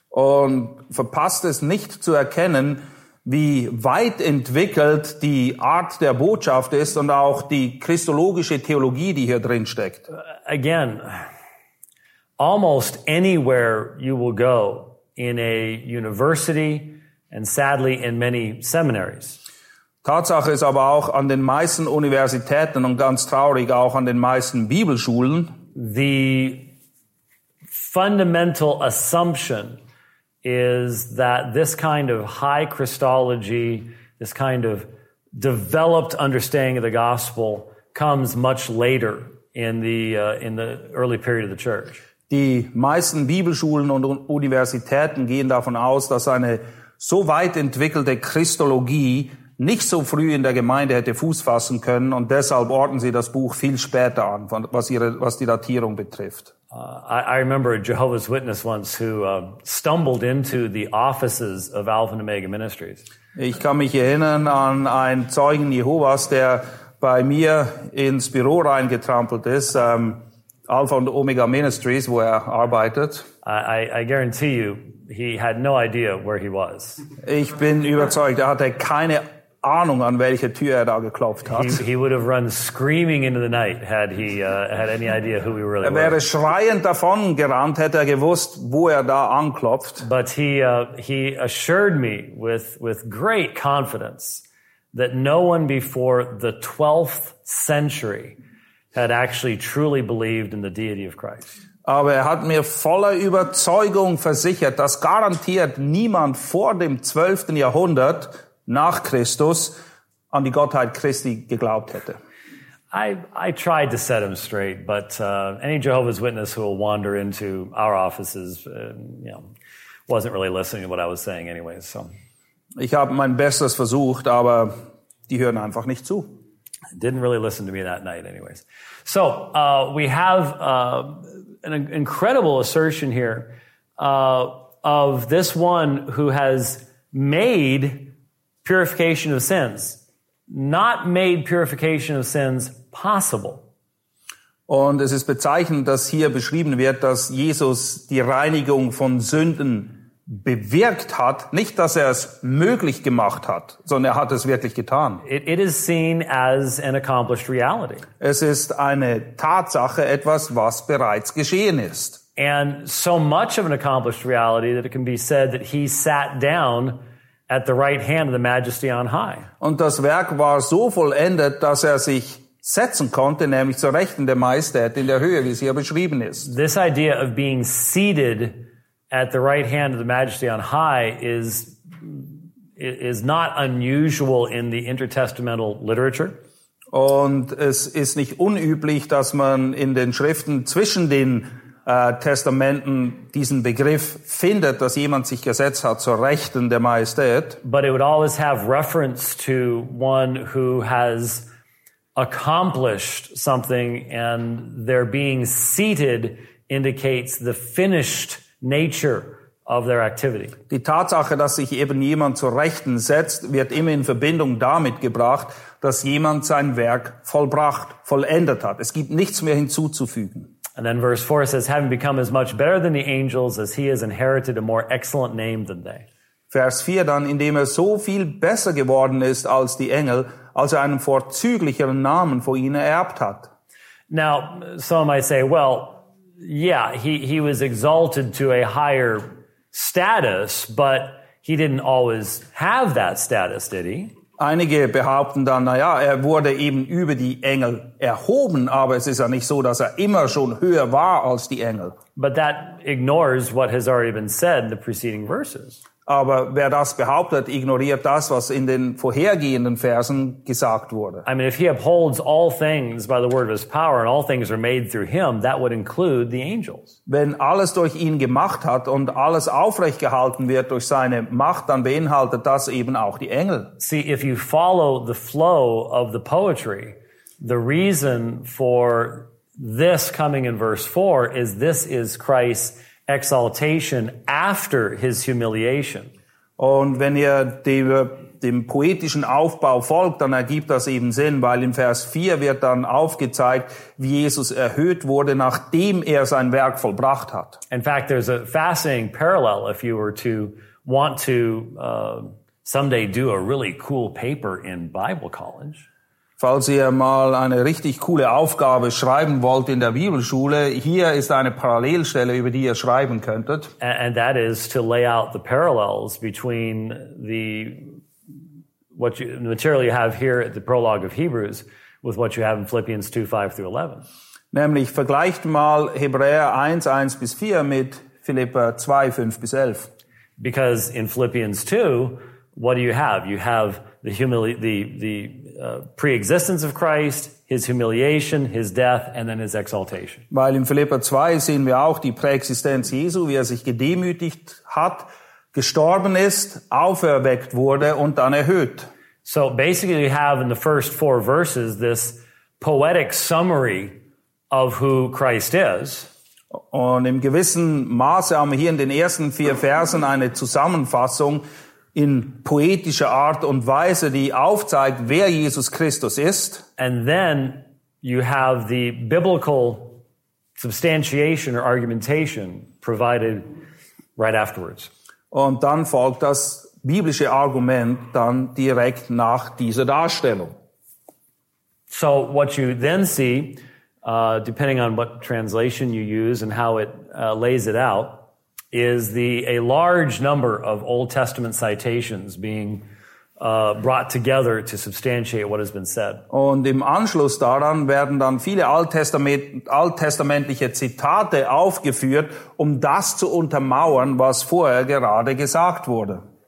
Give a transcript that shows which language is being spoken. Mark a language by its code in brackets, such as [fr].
[de] Und verpasst es nicht zu erkennen, wie weit entwickelt die Art der Botschaft ist und auch die christologische Theologie, die hier drin steckt. [en] Again, almost anywhere you will go in a university and sadly in many seminaries. [de] Tatsache ist aber auch an den meisten Universitäten und ganz traurig auch an den meisten Bibelschulen. [en] The fundamental assumption is that this kind of high Christology, this kind of developed understanding of the gospel comes much later in the early period of the church. [de] Die meisten Bibelschulen und Universitäten gehen davon aus, dass eine so weit entwickelte Christologie nicht so früh in der Gemeinde hätte Fuß fassen können und deshalb orten sie das Buch viel später an, was ihre, was die Datierung betrifft. [en] I remember a Jehovah's Witness once who stumbled into the offices of Alpha and Omega Ministries. [de] Ich kann mich erinnern an einen Zeugen Jehovas, der bei mir ins Büro reingetrampelt ist, Alpha and Omega Ministries, wo er arbeitet. [en] I guarantee you, he had no idea where he was. [de] Ich bin überzeugt, er hatte keine Ahnung, an welche Tür er da geklopft hat. [en] He would have run screaming into the night had he had any idea who we really were. [de] Er wäre schreiend davon gerannt, hätte er gewusst, wo er da anklopft. [en] But he assured me with great confidence that no one before the 12th century had actually truly believed in the deity of Christ. [de] Aber er hat mir voller Überzeugung versichert, dass garantiert niemand vor dem 12. Jahrhundert nach Christus an die Gottheit Christi geglaubt hätte. [en] I tried to set him straight, but any Jehovah's Witness who will wander into our offices, you know, wasn't really listening to what I was saying anyways. So. [de] Ich habe mein Bestes versucht, aber die hören einfach nicht zu. [en] Didn't really listen to me that night anyways. So we have an incredible assertion here of this one who has made purification of sins, not made purification of sins possible. [de] Und es ist bezeichnend, dass hier beschrieben wird, dass Jesus die Reinigung von Sünden bewirkt hat, nicht dass er es möglich gemacht hat, sondern er hat es wirklich getan. [en] It is seen as an accomplished reality. [de] Es ist eine Tatsache, etwas, was bereits geschehen ist. [en] And so much of an accomplished reality that it can be said that he sat down at the right hand of the Majesty on high. [de] Und das Werk war so vollendet, dass er sich setzen konnte, nämlich zur Rechten der Majestät in der Höhe, wie es hier beschrieben ist. [en] This idea of being seated at the right hand of the Majesty on high is not unusual in the intertestamental literature. [de] Und es ist nicht unüblich, dass man in den Schriften zwischen den Testamenten diesen Begriff findet, dass jemand sich gesetzt hat zur Rechten der Majestät. [en] But it would always have reference to one who has accomplished something, and their being seated indicates the finished nature of their activity. [de] Die Tatsache, dass sich eben jemand zur Rechten setzt, wird immer in Verbindung damit gebracht, dass jemand sein Werk vollbracht, vollendet hat. Es gibt nichts mehr hinzuzufügen. [en] And then verse 4 says, having become as much better than the angels as he has inherited a more excellent name than they. [de] Vers 4 dann, indem er so viel besser geworden ist als die Engel, als er einen vorzüglicheren Namen vor ihnen ererbt hat. [en] Now, some might say, well, yeah, he was exalted to a higher status, but he didn't always have that status, did he? [de] Einige behaupten dann, na ja, er wurde eben über die Engel erhoben, aber es ist ja nicht so, dass er immer schon höher war als die Engel. [en] But that ignores what has already been said in the preceding verses. [de] Aber wer das behauptet, ignoriert das, was in den vorhergehenden Versen gesagt wurde. [en] I mean, if he upholds all things by the word of his power and all things are made through him, that would include the angels. [de] Wenn alles durch ihn gemacht hat und alles aufrechtgehalten wird durch seine Macht, dann beinhaltet das eben auch die Engel. [en] See, if you follow the flow of the poetry, the reason for this coming in verse 4 is this is Christ's exaltation after his humiliation. [de] Und wenn ihr dem poetischen Aufbau folgt, dann ergibt das eben Sinn, weil in Vers 4 wird dann aufgezeigt, wie Jesus erhöht wurde, nachdem er sein Werk vollbracht hat. [en] In fact, there's a fascinating parallel if you were to want to someday do a really cool paper in Bible college. [de] Falls ihr mal eine richtig coole Aufgabe schreiben wollt in der Bibelschule, hier ist eine Parallelstelle, über die ihr schreiben könntet. [en] And that is to lay out the parallels between the material you have here at the prologue of Hebrews with what you have in Philippians 2, 5 through 11. [de] Nämlich vergleicht mal Hebräer 1, 1 bis 4 mit Philipper 2, 5 bis 11. [en] Because in Philippians 2, what do you have? You have the pre-existence of Christ, his humiliation, his death, and then his exaltation. [de] Weil in Philipper 2 sehen wir auch die Präexistenz Jesu, wie er sich gedemütigt hat, gestorben ist, auferweckt wurde und dann erhöht. [en] So basically you have in the first four verses this poetic summary of who Christ is. [de] Und im gewissen Maße haben wir hier in den ersten vier Versen eine Zusammenfassung in poetischer Art und Weise, die aufzeigt, wer Jesus Christus ist. [en] And then you have the biblical substantiation or argumentation provided right afterwards. [de] Und dann folgt das biblische Argument dann direkt nach dieser Darstellung. [en] So what you then see, depending on what translation you use and how it lays it out, is a large number of Old Testament citations being brought together to substantiate what has been said. [de] Und im Anschluss daran werden dann viele alttestamentliche Zitate aufgeführt, um das zu untermauern, was vorher gerade gesagt wurde.